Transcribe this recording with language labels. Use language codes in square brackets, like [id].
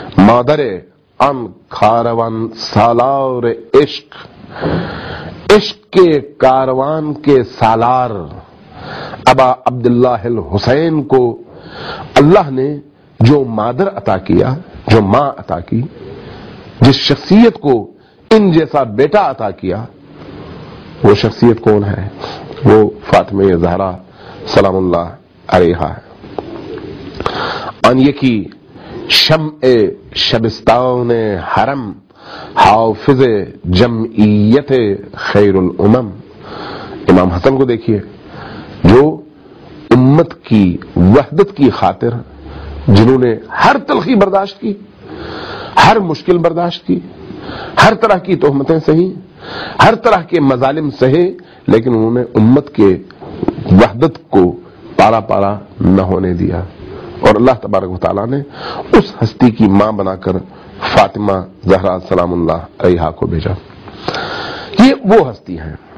[fa] مادر ان کاروان سالار عشق، [ur] عشق کے کاروان کے سالار ابا عبداللہ الحسین کو اللہ نے جو مادر عطا کیا، جو ماں عطا کی، جس شخصیت کو ان جیسا بیٹا عطا کیا، وہ شخصیت کون ہے؟ وہ فاطمہ زہرا سلام اللہ علیہا ہے. [fa] ان یکی شمع شبستان حرم، حافظ جمعیت خیر الامم. [ur] امام حسن کو دیکھیے، جو امت کی وحدت کی خاطر جنہوں نے ہر تلخی برداشت کی، ہر مشکل برداشت کی، ہر طرح کی تہمتیں سہی، ہر طرح کے مظالم سہے، لیکن انہوں نے امت کے وحدت کو پارا پارا نہ ہونے دیا، اور اللہ تبارک و تعالیٰ نے اس ہستی کی ماں بنا کر فاطمہ زہرا سلام اللہ علیہا کو بھیجا. یہ وہ ہستی ہیں.